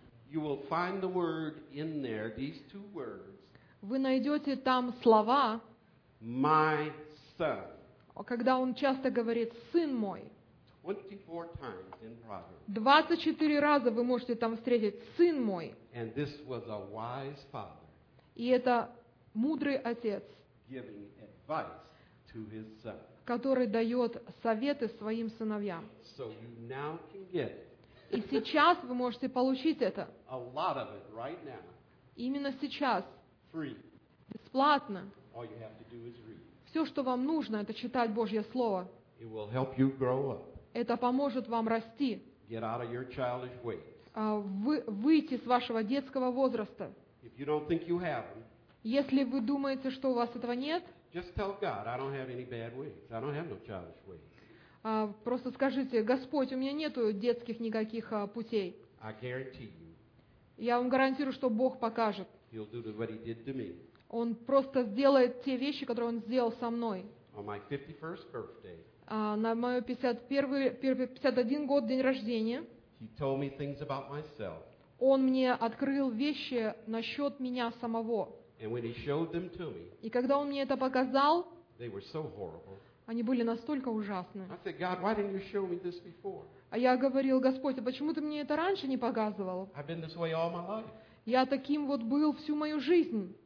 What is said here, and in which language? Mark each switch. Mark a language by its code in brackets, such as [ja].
[en] You will find the word in there, these two words. [ru] Вы найдете там слова. [en] My son. [ru] Когда он часто говорит «сын мой». [en] 24 times in Proverbs. [ru] 24 раза вы можете там встретить «сын мой». [en] And this was a wise father. [ru] И это мудрый отец. [en] Giving advice to his son. [ru] Который дает советы своим сыновьям. [en] So you now can get it. [ru] И сейчас вы можете получить это. [en] A lot of it right now. [ru] Именно сейчас. [en] Free. [ru] Бесплатно. [en] All you have to do is read. [ru] Все, что вам нужно, это читать Божье Слово. [en] It will help you grow up. [ru] Это поможет вам расти. [en] Get out of your childish ways. [ru] Выйти с вашего детского возраста. [en] If you don't think you have them, [ru] если вы думаете, что у вас этого нет, [en] just tell God, I don't have any bad ways. I don't have no childish ways. [ru] Просто скажите, Господь, у меня нету детских никаких путей. [en] I guarantee you. [ru] Я вам гарантирую, что Бог покажет. [en] He'll do what he did to me. [ru] Он просто сделает те вещи, которые Он сделал со мной. [en] On my 51st birthday, [ru] на мой 51 год, день рождения, [en] he told me things about myself. [ru] Он мне открыл вещи насчет меня самого. [en] And when he showed them to me, [ru] и когда Он мне это показал, [en] they were so horrible. [ru] Они были настолько ужасны. [en] I said, God, why didn't you show me this before? [ru] А я говорил, Господь, а почему Ты мне это раньше не показывал? [en] I've been this way all my life. [ru] Я таким вот был всю мою жизнь.